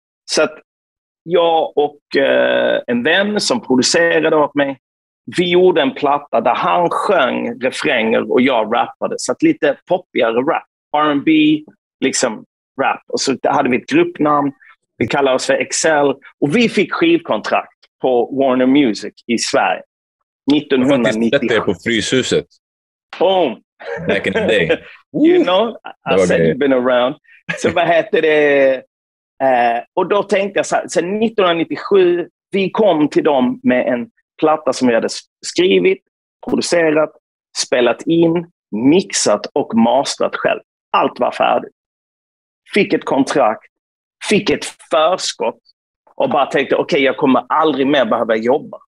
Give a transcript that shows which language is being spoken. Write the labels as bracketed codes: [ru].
[sv] Så att jag och en vän som producerade åt mig, vi gjorde en platta där han sjöng refränger och jag rappade. Så att lite poppigare rap. R&B, liksom rap. Och så hade vi ett gruppnamn. Vi kallade oss för Excel. Och vi fick skivkontrakt på Warner Music i Sverige 1990. Jag har sett på Fryshuset. [en] Boom! Back in the day. You know, I said you've been around. [sv] Så vad hette det? Och då tänkte jag så här, sen 1997, vi kom till dem med en platta som vi hade skrivit, producerat, spelat in, mixat och masterat själv. Allt var färdigt. Fick ett kontrakt, fick ett förskott, och bara tänkte, okej, jag kommer aldrig mer behöva jobba.